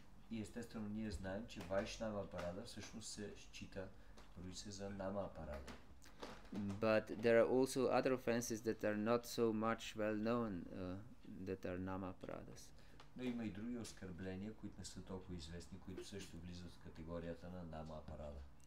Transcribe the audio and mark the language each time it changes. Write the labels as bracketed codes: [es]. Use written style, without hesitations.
[bg] И естествено ние знаем, че Вайшнава апарада всъщност се счита дори се за нама апарада. [en] But there are also other offenses that are not so much well known that are nama aparadas. [bg] Но има и други оскърбления, които не са толкова известни, които също влизат в категорията на нама апарада.